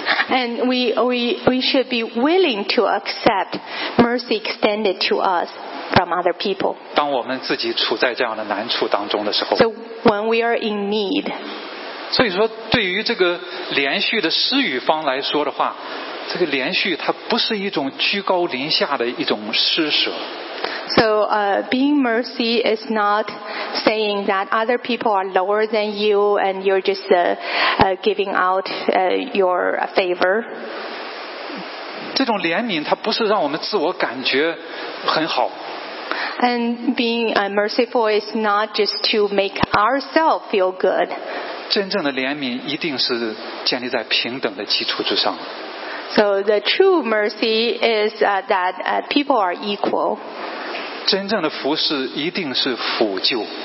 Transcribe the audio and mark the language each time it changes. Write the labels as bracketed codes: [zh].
[en] And we should be willing to accept mercy extended to us from other people. [zh] 当我们自己处在这样的难处当中的时候。 [en] So when we are in need. [zh] 所以说对于这个连续的施与方来说的话，这个连续它不是一种居高临下的一种施舍。 [en] So being mercy is not saying that other people are lower than you and you're just giving out your favor. [zh] 这种怜悯它不是让我们自我感觉很好。 [en] And being merciful is not just to make ourselves feel good. [zh] 真正的怜悯一定是建立在平等的基础之上。 [en] So the true mercy is that people are equal. [zh] 真正的服侍一定是俯就。